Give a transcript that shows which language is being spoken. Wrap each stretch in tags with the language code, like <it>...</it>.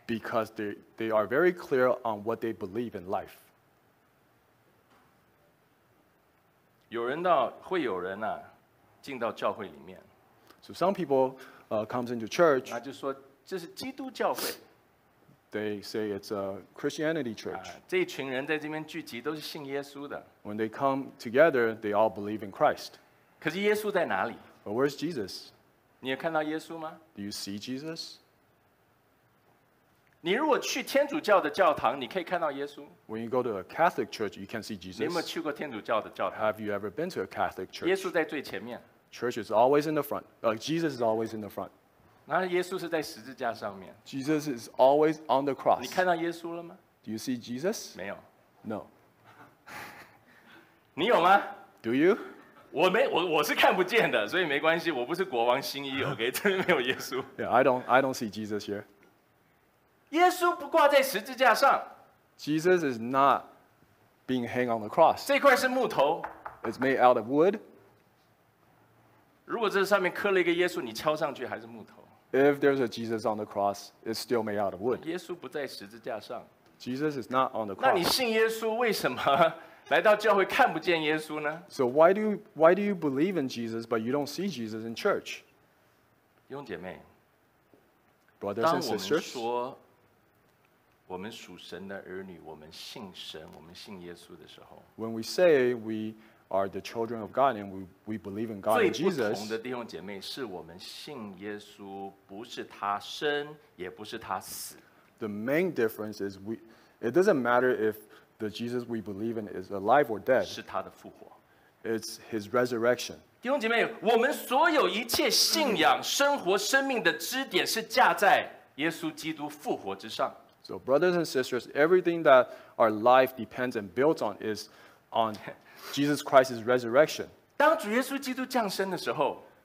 <en>Because they are very clear on what they believe in life.</en> <zh>有人到会有人啊，进到教会里面。</zh> <en>So some people comes into church.</en> <zh>那就说这是基督教会。</zh> <en>They say it's a Christianity church.</en> <zh>这一群人在这边聚集都是信耶稣的。</zh> <en>When they come together, they all believe in Christ.</en> <zh>可是耶稣在哪里？</zh> <en>But where's Jesus?</en> <zh>你有看到耶稣吗?</zh> <en>Do you see Jesus?</en> <zh>你如果去天主教的教堂，你可以看到耶稣。</zh> <en>When you go to a Catholic church, you can see Jesus.</en> <zh>你有没有去过天主教的教堂?</zh> <en>Have you ever been to a Catholic church?</en> <zh>耶稣在最前面。</zh> <en>Church is always in the front. Jesus is always in the front.</en> <zh>然后耶稣是在十字架上面。</zh> <en>Jesus is always on the cross.</en> <zh>你看到耶稣了吗?</zh> <en>Do you see Jesus?</en> <zh>没有。</zh> <en>No.</en> <zh>你有吗?</zh> <en>Do you?</en> <zh>我是看不见的，所以没关系。我不是国王新衣 ，OK， 这里没有耶稣。</zh> <en>Yeah, I don't see Jesus here.</en> <zh>耶稣不挂在十字架上。</zh> <en>Jesus is not being hung on the cross.</en> <zh>这块是木头。</zh> <en>It's made out of wood.</en> <zh>如果这上面刻了一个耶稣，你敲上去还是木头。</zh> <en>If there's a Jesus on the cross, it's still made out of wood.</en> <zh>耶稣不在十字架上。</zh> <en>Jesus is not on the cross.</en> <zh>那你信耶稣为什么？来到教会看不见耶稣呢?</zh> <en>So why do you believe in Jesus but you don't see Jesus in church?</en> <zh>弟兄姐妹,</zh> <en>brothers and sisters,</en> <zh>当我们说我们属神的儿女，我们信神，我们信耶稣的时候,</zh> <en>when we say we are the children of God and we believe in God and Jesus,</en> <zh>最不同的弟兄姐妹是我们信耶稣，不是他生，也不是他死。</zh> <en>The main difference is it doesn't matter if the Jesus we believe in is alive or dead.</en> <zh>是他的复活。</zh> <en>It's his resurrection.</en> <zh>弟兄姐妹，我们所有一切信仰、生活、生命的支点是架在耶稣基督复活之上。</zh> <en>So brothers and sisters, everything that our life depends and builds on is on Jesus Christ's resurrection.</en> <zh>当主耶稣基督降生的时候，</zh>